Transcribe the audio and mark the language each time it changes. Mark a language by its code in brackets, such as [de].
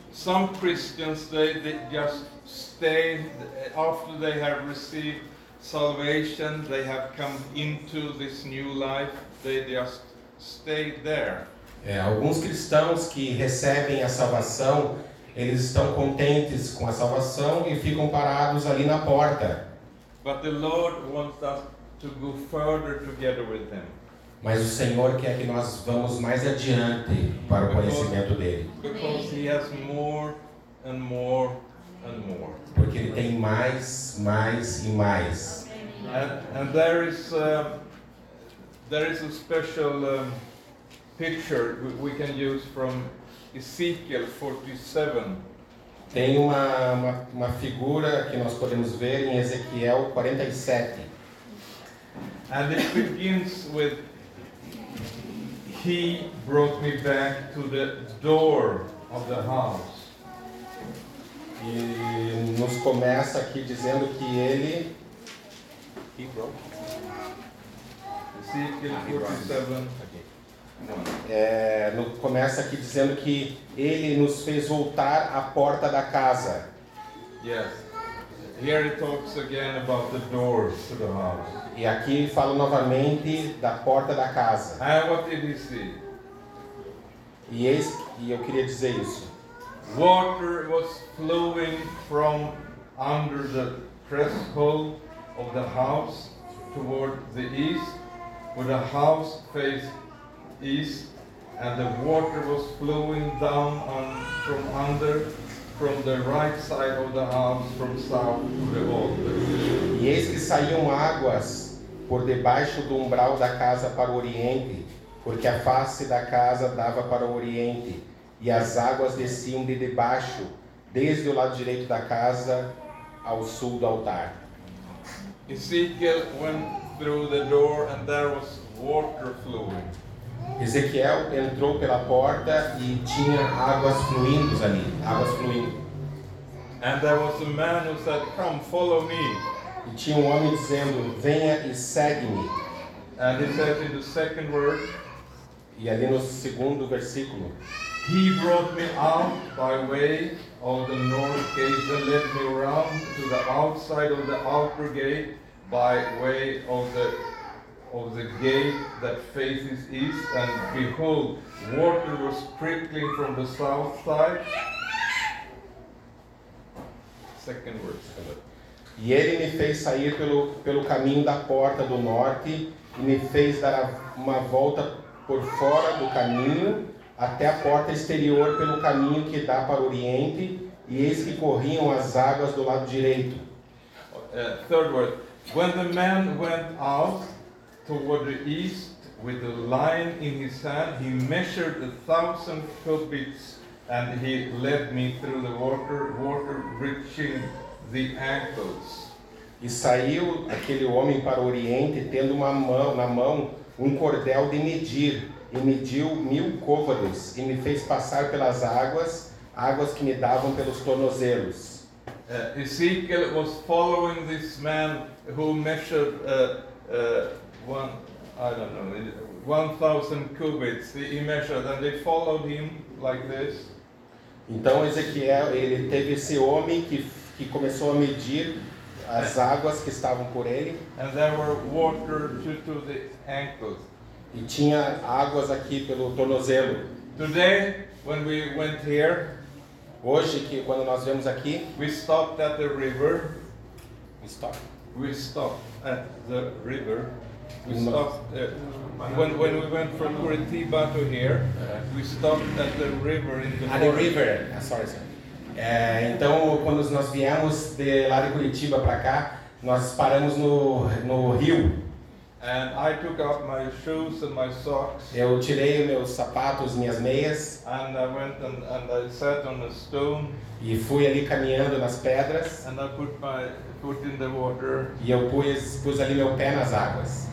[en] Some Christians they just stay after they have received salvation, they have come into this new life, they just stay there. [pt] É, alguns cristãos que recebem a salvação, eles estão contentes com a salvação e ficam parados ali na porta. [en] But the Lord wants us to go further together with them. [pt] Mas o Senhor quer que nós vamos mais adiante para o conhecimento dele. [en] Because he has more and more and more. [pt] Porque ele tem mais, mais e mais. [en] And there is a special picture we can use from Ezekiel 47. [pt] Tem uma figura que nós podemos ver em Ezequiel 47. [en] And it begins with he brought me back to the door of the house. [pt] E nos começa aqui dizendo que ele. [en] He brought. Ezekiel 47. [pt] Começa aqui dizendo que ele nos fez voltar à porta da casa. [en] Yes. Here it talks again about the doors to the house. [pt] E aqui fala novamente da porta da casa. [en] And what did he see? [pt] E eu queria dizer isso. [en] Water was flowing from under the threshold of the house toward the east, where the house faced east, and the water was flowing down on from under from the right side of the house from south to the altar. [pt] E eis que saíam águas por debaixo do umbral da casa para o oriente, porque a face da casa dava para o oriente, e as águas desciam de debaixo, desde o lado direito da casa ao sul do altar. [en] Ezekiel went through the door and there was water flowing. [pt] Ezequiel entrou pela porta e tinha águas fluindo ali, águas fluindo. [en] And there was a man who said, "Come, follow me." [pt] E tinha um homem dizendo, "Venha e segue-me." [en] And he said in the second word, [pt] e ali no segundo versículo, [en] "He brought me out by way of the north gate and led me around to the outside of the outer gate by way of the gate that faces east, and behold, water was trickling from the south side." Second verse. [pt] E ele me fez sair pelo caminho da porta do norte e me fez dar uma volta por fora do caminho até a porta exterior pelo caminho que dá para o oriente, e eis que corriam as águas do lado direito. [en] Third word. When the man went out toward the east with a line in his hand, he measured 1,000 cubits and he led me through the water reaching the ankles. [pt] E saiu aquele homem para o oriente tendo na mão um cordel de medir, e mediu 1,000 côvados e me fez passar pelas águas que me davam pelos tornozelos. [en] Ezekiel was following this man who measured 1,000 cubits. He measured and they followed him like this. [pt] Então Ezequiel, ele teve esse homem que começou a medir as águas que estavam por ele. [en] And there were water to the ankles. [pt] E tinha águas aqui pelo tornozelo. [en] Today, when we went here, [pt] hoje que quando nós viemos aqui, [en] we stopped at the river. When we went from Curitiba to here, we stopped at the river in the. At the river. Sorry, sir. [pt] Então, quando nós viemos de lá de Curitiba para cá, nós paramos no rio. [en] And I took off my shoes and my socks. [pt] Eu tirei meus sapatos, minhas meias. [en] And I went and I sat on a stone. [pt] E fui ali caminhando nas pedras. [en] And I put my foot in the water. [pt] E eu pus ali meu pé nas águas.